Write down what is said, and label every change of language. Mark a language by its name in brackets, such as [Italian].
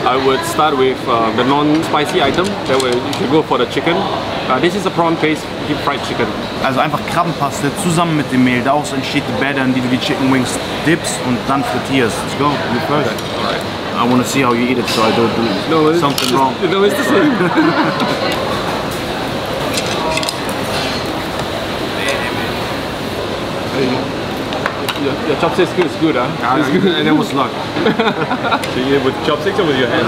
[English] I would start with the non-spicy item, that way you can go for the chicken. This is a prawn paste, deep fried chicken. [German] Also einfach Krabbenpaste zusammen mit dem Mehl, daraus entsteht die Batter, in die du die Chicken Wings dips und dann frittierst. [English] Let's go, you first. Okay. I want to see how you eat it, so I don't do something wrong. No, it's the same. Your chopstick is good, huh? Yeah, it's good. And it was luck. So you eat with chopsticks or with your hands?